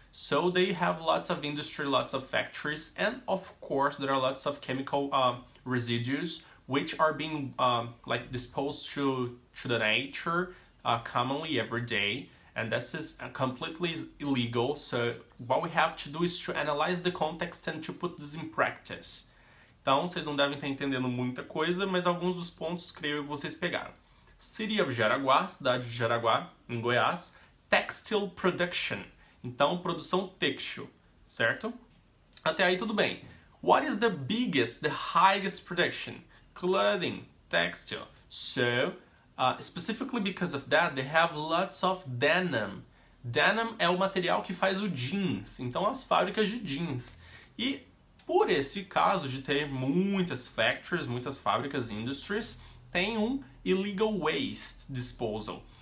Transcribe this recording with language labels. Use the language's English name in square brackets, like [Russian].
[English] So they have lots of industry, lots of factories, and of course there are lots of chemical residues which are being like disposed to the nature commonly every day. And this is completely illegal. So what we have to do is to analyze the context and to put this in practice. [Portuguese] Então, vocês não devem estar entendendo muita coisa, mas alguns dos pontos, creio que vocês pegaram. [English] City of Jaraguá, [Portuguese] cidade de Jaraguá, em Goiás. [English] Textile production. [Portuguese] Então, produção têxtil, certo? Até aí tudo bem. [English] What is the biggest, the highest production? Clothing, textile. So, specifically because of that, they have lots of denim. [Portuguese] Denim é o material que faz o jeans, então as fábricas de jeans. E por esse caso de ter muitas factories, muitas fábricas, industries, tem um [English] illegal waste disposal.